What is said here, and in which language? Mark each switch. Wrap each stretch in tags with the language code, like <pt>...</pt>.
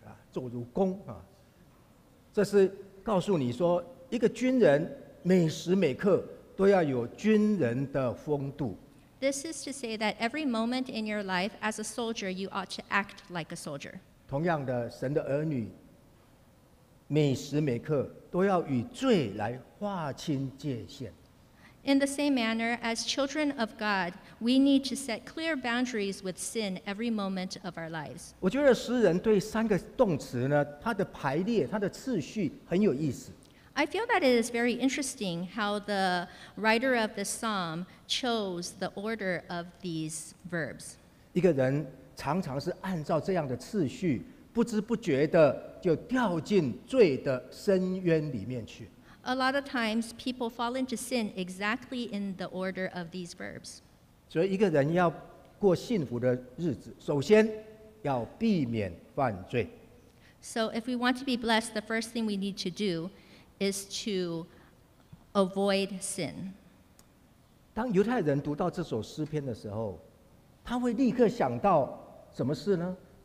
<zh>坐如弓, 这是告诉你说一个军人每时每刻</zh> <en>This is to say that every moment in your life as a soldier, you ought to act like a soldier.</en> <zh>同样的, 神的儿女, 每时每刻,</zh> <en>in the same manner, as children of God, we need to set clear boundaries with sin every moment of our lives.</en> <zh>我觉得诗人对三个动词呢, 它的排列, 它的次序很有意思。</zh> <en>I feel that it is very interesting how the writer of the psalm chose the order of these verbs.</en> <zh>一个人常常是按照这样的次序, 不知不觉地就掉进罪的深渊里面去。</zh> <en>A lot of times people fall into sin exactly in the order of these verbs.</en> <zh>所以一个人要过幸福的日子, 首先要避免犯罪。</zh> <en>So if we want to be blessed, the first thing we need to do is to avoid sin.</en> <zh>当犹太人读到这首诗篇的时候, 他会立刻想到什么事呢?</zh>